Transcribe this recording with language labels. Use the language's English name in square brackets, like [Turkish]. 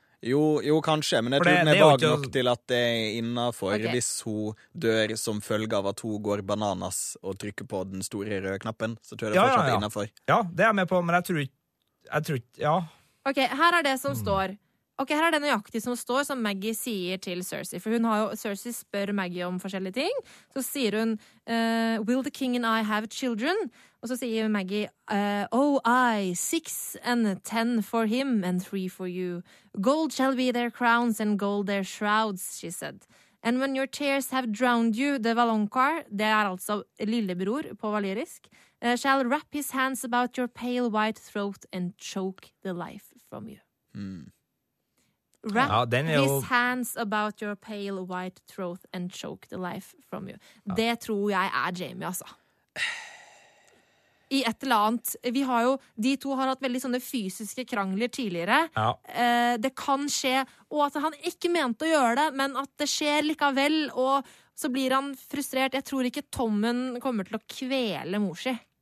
[Norwegian] Jo, kanskje. Men jeg tror den er vag nok til at det er innenfor hvis hun dør som følge av at hun går bananas og trykker på den store røde knappen. Så tror jeg det fortsatt er innenfor. Ja, det jeg med på, men jeg tror ikke... Jeg tror, ja. Ok, her det som står. Ok, her det nøyaktig som står, som Maggie sier til Cersei. For hun har jo, Cersei spør Maggie om forskjellige ting. Så sier hun, [English] will the king and I have children? [Norwegian] Og så sier [English] Maggie, I, 6 and 10 for him and 3 for you. Gold shall be their crowns and gold their shrouds, she said. And when your tears have drowned you, the Valonqar, [Norwegian] det altså lillebror på valyrisk, [English] shall wrap his hands about your pale white throat and choke the life from you. His hands about your pale white throat and choke the life from you. [Norwegian] Ja. Det tror jeg Jaime, altså. I et eller annet. Vi har jo, de to har hatt veldig sånne fysiske krangler tidligere. Ja. Det kan skje, og at han ikke mente å gjøre det, men at det skjer likevel, og så blir han frustrert. Jeg tror ikke Tommen kommer til å kvele Morsi.